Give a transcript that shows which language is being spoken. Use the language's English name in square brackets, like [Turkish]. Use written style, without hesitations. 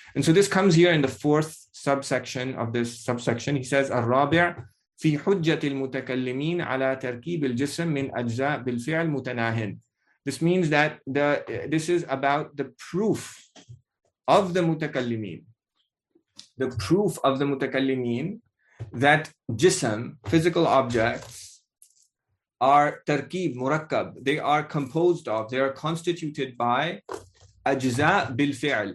[English] And so this comes here in the fourth subsection of this subsection. He says, [Arabic] الرابع في حجة المتكلمين على تركيب الجسم من أجزاء بالفعل متناهن. [English] This means that this is about the proof of the mutakallimin. The proof of the mutakallimin that jism, physical objects, are tarkib, murakkab. They are composed of, they are constituted by ajza bil fi'l.